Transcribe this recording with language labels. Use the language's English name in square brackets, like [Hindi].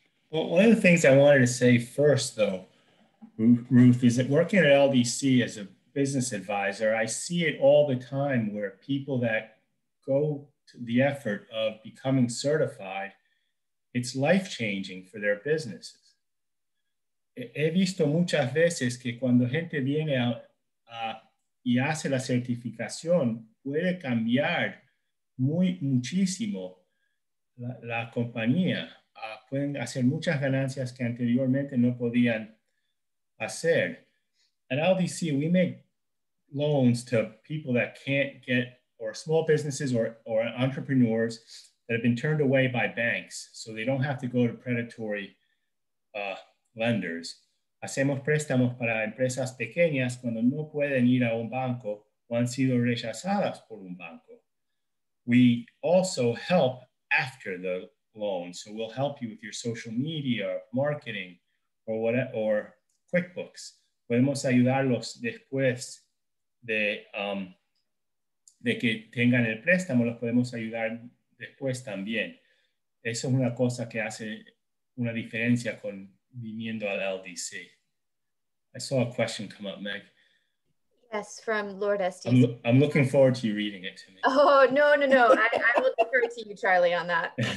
[English] Well, one of the things I wanted to say first though, Ruth, is that working at LDC as a business advisor, I see it all the time where people that go to the effort of becoming certified, it's life-changing for their businesses. [Spanish] He visto muchas veces que cuando gente viene y hace la certificación, puede cambiar muchísimo la compañía. Pueden hacer muchas ganancias que anteriormente no podían hacer. [English] At LDC, we make loans to people that can't get, or small businesses or entrepreneurs that have been turned away by banks, so they don't have to go to predatory lenders. [Spanish] Hacemos préstamos para empresas pequeñas cuando no pueden ir a un banco o han sido rechazadas por un banco. [English] We also help after the loan, so we'll help you with your social media, marketing, or whatever, or QuickBooks. [Spanish] Podemos ayudarlos después de que tengan el préstamo, los podemos ayudar después también. Eso es una cosa que hace una diferencia con viniendo al LDC. [English] I saw a question come up, Meg. Yes, from Lord SDC. I'm looking forward to you reading it to me. Oh, no, no, no. I will defer to you, Charlie, on that.